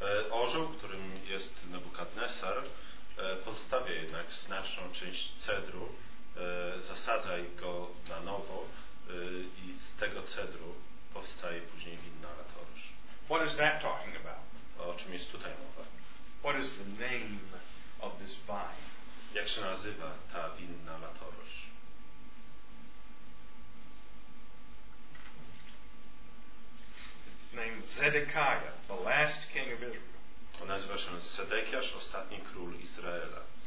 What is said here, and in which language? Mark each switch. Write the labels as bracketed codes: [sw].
[pl] Orzeł, którym jest Nebuchadnezzar, pozostawia jednak znaczną część cedru, zasadza go na nowo i z tego cedru powstaje później winna latorosz. [en] What is that talking about? [pl] O czym jest tutaj mowa? [en] What is the name of this vine? [pl] Jak się nazywa ta winna latorosz? [en] It's named Zedekiah, the last king of Israel. [pl] On nazywa się Zedekiasz, ostatni król Izraela.